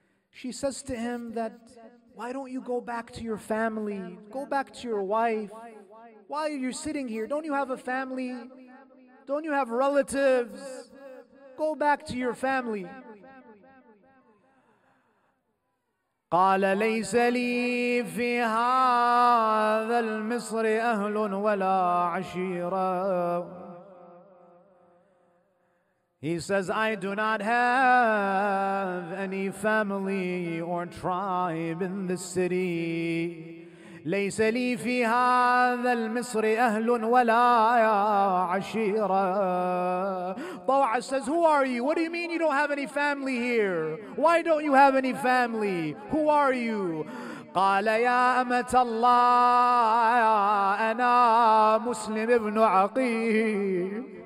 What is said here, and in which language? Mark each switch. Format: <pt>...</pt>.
<en>She says to him that, "Why don't you go back to your family? Go back to your wife. Why are you sitting here? Don't you have a family? Don't you have relatives? Go back to your family."</en> <ar>قال ليس لي في هذا المصر أهل ولا عشيرة.</ar> <en>He says, "I do not have any family or tribe in the city.</en> <ar>ليس لي في هذا المصر أهل ولا عشيرة."</ar> <en>Tawa says, "Who are you? What do you mean you don't have any family here? Why don't you have any family? Who are you?"</en> <ar>قال يا أمت الله أنا مسلم ابن عقيل.</ar>